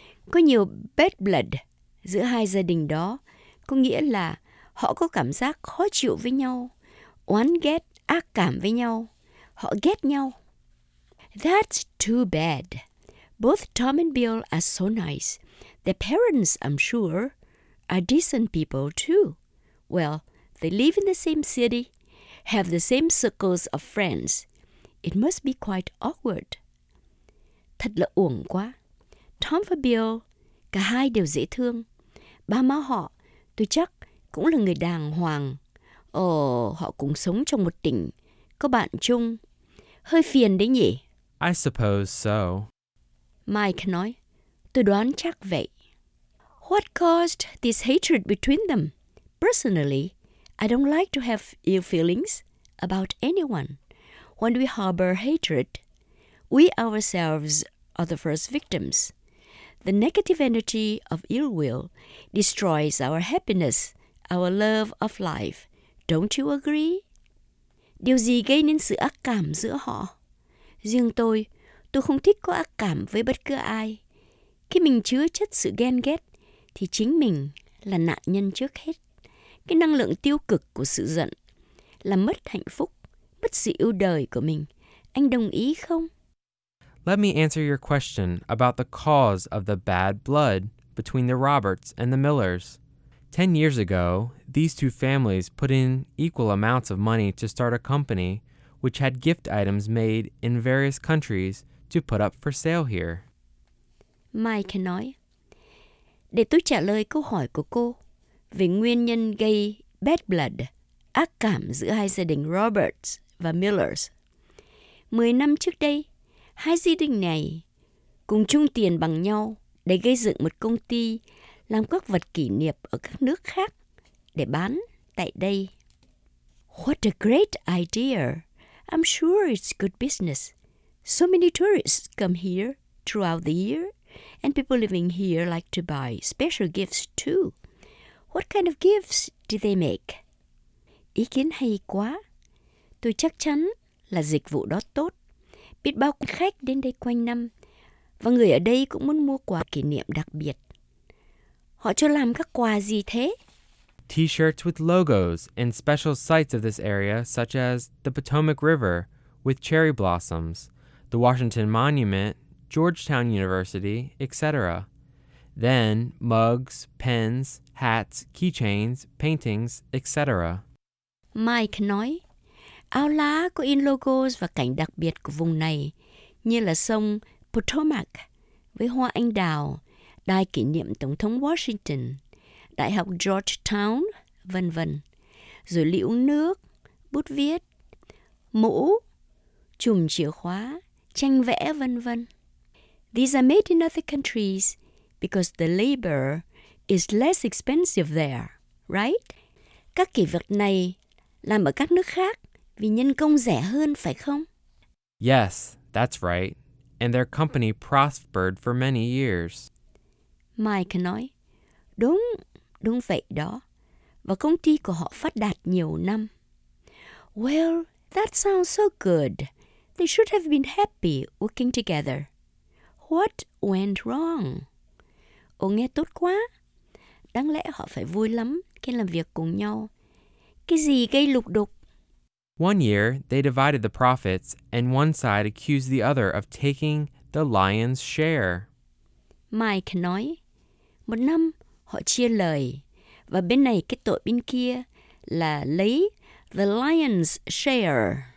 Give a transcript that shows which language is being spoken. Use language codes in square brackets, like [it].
[vi] Có nhiều bad blood giữa hai gia đình đó, có nghĩa là họ có cảm giác khó chịu với nhau, oán ghét, ác cảm với nhau, họ ghét nhau. [en] That's too bad. Both Tom and Bill are so nice. Their parents, I'm sure, are decent people too. Well, they live in the same city, have the same circles of friends. It must be quite awkward. [vi] Thật là uổng quá. Tom và Bill, cả hai đều dễ thương. Ba má họ, tôi chắc, cũng là người đàng hoàng. Ồ, họ cũng sống trong một tỉnh, có bạn chung. Hơi phiền đấy nhỉ? [en] I suppose so. [vi] Mike nói, tôi đoán chắc vậy. [en] What caused this hatred between them? Personally, I don't like to have ill feelings about anyone. When we harbor hatred, we ourselves are the first victims. The negative energy of ill will destroys our happiness, our love of life. Don't you agree? [vi] Điều gì gây nên sự ác cảm giữa họ? Riêng tôi không thích có ác cảm với bất cứ ai. Khi mình chứa chất sự ghen ghét, thì chính mình là nạn nhân trước hết. Cái năng lượng tiêu cực của sự giận là mất hạnh phúc, mất sự yêu đời của mình. Anh đồng ý không? [en] Let me answer your question about the cause of the bad blood between the Roberts and the Millers. 10 years ago, these two families put in equal amounts of money to start a company which had gift items made in various countries to put up for sale here. [vi] Mike nói, để tôi trả lời câu hỏi của cô về nguyên nhân gây bad blood, ác cảm giữa hai gia đình Roberts và Millers. 10 năm trước đây, hai gia đình này cùng chung tiền bằng nhau để gây dựng một công ty làm các vật kỷ niệm ở các nước khác để bán tại đây. [en] What a great idea! I'm sure it's good business. So many tourists come here throughout the year, and people living here like to buy special gifts too. What kind of gifts do they make? [vi] Ý kiến hay quá. Tôi chắc chắn là dịch vụ đó tốt. Biết bao khách đến đây quanh năm, và người ở đây cũng muốn mua quà kỷ niệm đặc biệt. Họ cho làm các quà gì thế? [en] T-shirts with logos and special sites of this area, such as the Potomac River with cherry blossoms, the Washington Monument, Georgetown University, etc. Then mugs, pens, hats, keychains, paintings, etc. [vi] Mike nói, áo lá có in logos và cảnh đặc biệt của vùng này, như là sông Potomac với hoa anh đào, đài kỷ niệm Tổng thống Washington, Đại học Georgetown, vân vân. Rồi lũ nước, bút viết, mũ, chùm chìa khóa, tranh vẽ, vân vân. [en] These are made in other countries because the labor is less expensive there, right? [vi] Các kỷ vật này làm ở các nước khác vì nhân công rẻ hơn, phải không? [en] Yes, that's right. And their company prospered for many years. [vi] Mike nói, đúng. Đúng vậy đó. Và công ty của họ phát đạt nhiều năm. [en] Well, that sounds so good. They should have been happy working together. What went wrong? [vi] Ồ, nghe tốt quá. Đáng lẽ họ phải vui lắm khi làm việc cùng nhau. Cái gì gây lục đục? [en] One year, they divided the profits and one side accused the other of taking the lion's share. [vi] Mike nói, một năm, họ chia lời, và bên này cái tội bên kia là lấy the lion's share.